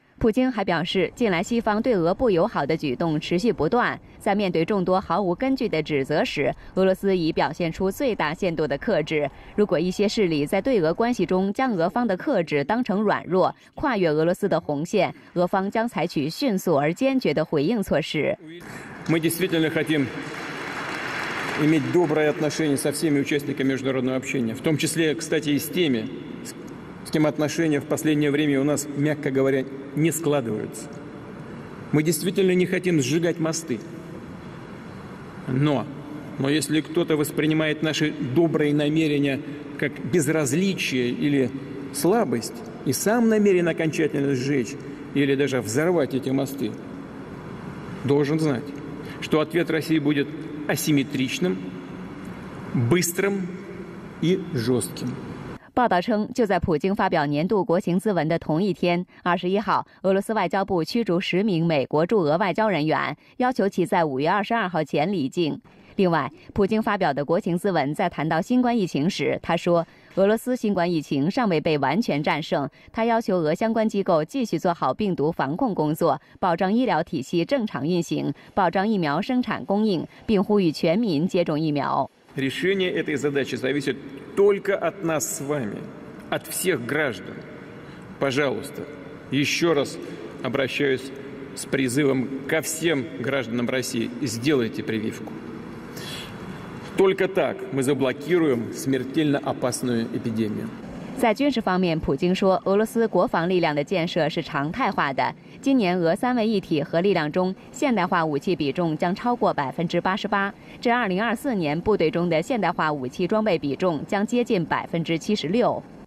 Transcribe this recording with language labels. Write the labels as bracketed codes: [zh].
[zh] 普京还表示，近来西方对俄不友好的举动持续不断，在面对众多毫无根据的指责时，俄罗斯已表现出最大限度的克制。如果一些势力在对俄关系中将俄方的克制当成软弱，跨越俄罗斯的红线，俄方将采取迅速而坚决的回应措施。 [ru] Мы действительно хотим иметь добрые отношения со всеми участниками международного общения, в том числе, кстати, и с теми, с кем отношения в последнее время у нас, мягко говоря, не складываются. Мы действительно не хотим сжигать мосты. Но если кто-то воспринимает наши добрые намерения как безразличие или слабость и сам намерен окончательно сжечь или даже взорвать эти мосты, должен знать. Что ответ России будет асимметричным, быстрым и жестким. [zh] 报道称，就在普京发表年度国情咨文的同一天，21号，俄罗斯外交部驱逐10名美国驻俄外交人员，要求其在5月22号前离境。另外，普京发表的国情咨文在谈到新冠疫情时，他说，俄罗斯新冠疫情尚未被完全战胜，他要求俄相关机构继续做好病毒防控工作，保障医疗体系正常运行，保障疫苗生产供应，并呼吁全民接种疫苗。 [ru] Решение этой задачи зависит только от нас с вами, от всех граждан. Пожалуйста, еще раз обращаюсь с призывом ко всем гражданам России, сделайте прививку. Только так мы заблокируем смертельно опасную эпидемию. [zh] 在军事方面，普京说，俄罗斯国防力量的建设是常态化的。今年俄三位一体核力量中，现代化武器比重将超过88%，至2024年部队中的现代化武器装备比重将接近76%。